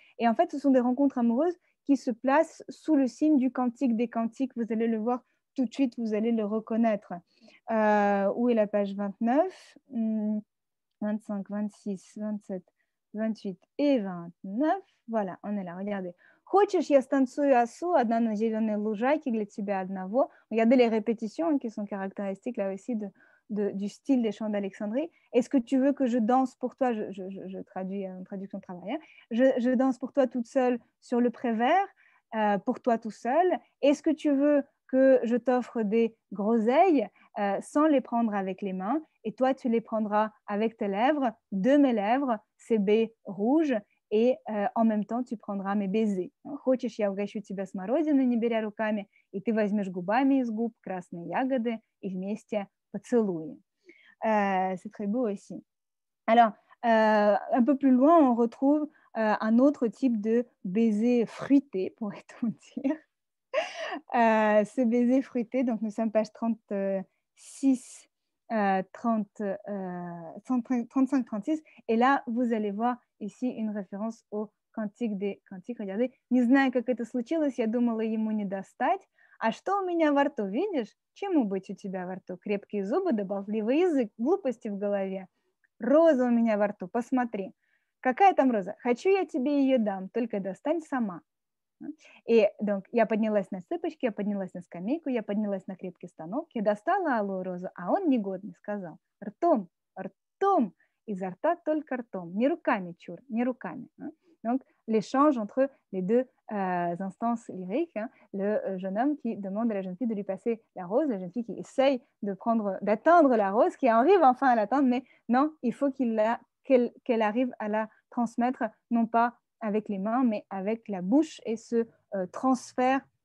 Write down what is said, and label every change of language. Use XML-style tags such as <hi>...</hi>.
<fr>Et en fait, ce sont des rencontres amoureuses qui se placent sous le signe du cantique des cantiques. Vous allez le voir tout de suite, vous allez le reconnaître. Où est la page 29? 25, 26, 27, 28 et 29. Voilà, on est là, regardez.</fr> <ru>Хочешь, я станцую осу, одна на зеленой лужайке для тебя одного.</ru> <fr>Regardez les répétitions qui sont caractéristiques là aussi du style des chants d'Alexandrie. Est-ce que tu veux que je danse pour toi? Je traduis en traduction de travail. Hein. Je danse pour toi toute seule sur le pré vert, pour toi tout seul. Est-ce que tu veux que je t'offre des groseilles sans les prendre avec les mains? Et toi, tu les prendras avec tes lèvres, de mes lèvres, ces baies rouges. Et en même temps, tu prendras mes baisers.</fr> <ru>Хочешь, я угощу тебя смородиной, не беря руками, и ты возьмешь губами из губ красные ягоды и вместе поцелуй.</ru> <fr>C'est très beau aussi. Alors, un peu plus loin, on retrouve un autre type de baiser fruité, pourrait-on dire. Ce baiser fruité, donc nous sommes page 35-36, et là, vous allez voir ici une référence au cantique des cantiques. Regardez,</fr> <ru>не знаю, как это случилось, я думала ему не достать. А что у меня во рту, видишь? Чему быть у тебя во рту? Крепкие зубы, да болтливый язык, глупости в голове. Роза у меня во рту, посмотри. Какая там роза? Хочу, я тебе ее дам, только достань сама. И</ru> <fr>donc,</fr> <ru>я поднялась на цыпочки, я поднялась на скамейку, я поднялась на крепкий станок, я достала алую розу, а он негодный сказал, ртом, ртом, изо рта только ртом, не руками, чур, не руками.</ru> <fr>Donc, l'échange entre les deux instances lyriques, hein, le jeune homme qui demande à la jeune fille de lui passer la rose, la jeune fille qui essaye d'atteindre la rose, qui arrive enfin à l'atteindre, mais non, il faut qu'elle arrive à la transmettre, non pas avec les mains, mais avec la bouche, et ce transfert</fr>